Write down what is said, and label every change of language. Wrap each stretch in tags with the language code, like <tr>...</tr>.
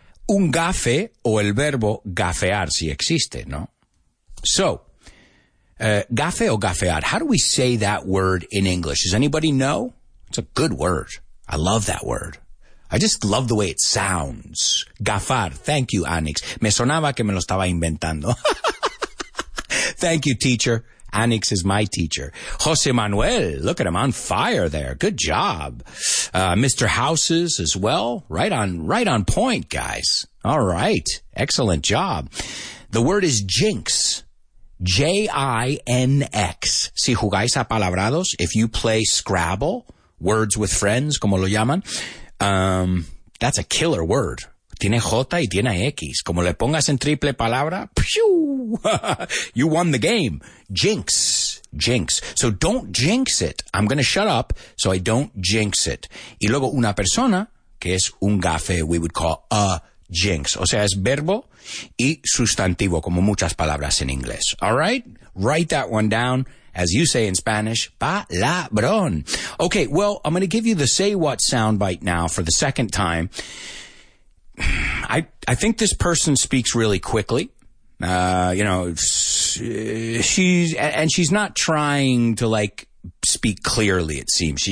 <es>Un gafe o el verbo gafear si existe, ¿no? So, gafe o gafear.</es> <en>How do we say that word in English? Does anybody know? It's a good word. I love that word. I just love the way it sounds. Gafar. Thank you, Anix.</en> <es>Me sonaba que me lo estaba inventando.</es> <en>Thank you, teacher. Anix is my teacher. Jose Manuel, look at him on fire there. Good job. Mr. Houses as well. Right on point, guys. All right. Excellent job. The word is jinx. J-I-N-X.</en> <es>Si jugáis a palabrados,</es> <en>if you play Scrabble, words with friends,</en> <es>como lo llaman,</es> <en>that's a killer word.</en> <es>tiene J y tiene X. Como le pongas en triple palabra, ¡piu!</es> <en>You won the game.</en> <es>Jinx. Jinx.</es> <en>So don't jinx it. I'm going to shut up so I don't jinx it.</en> <es>Y luego una persona, que es un gafe,</es> <en>we would call a jinx.</en> <es>O sea, es verbo y sustantivo, como muchas palabras en inglés.</es> <en>All right? Write that one down. As you say in Spanish, palabrón. Okay, well, I'm going to give you the say what soundbite now for the second time. I think this person speaks really quickly. You know, she's not trying to, like, speak clearly, it seems.</en>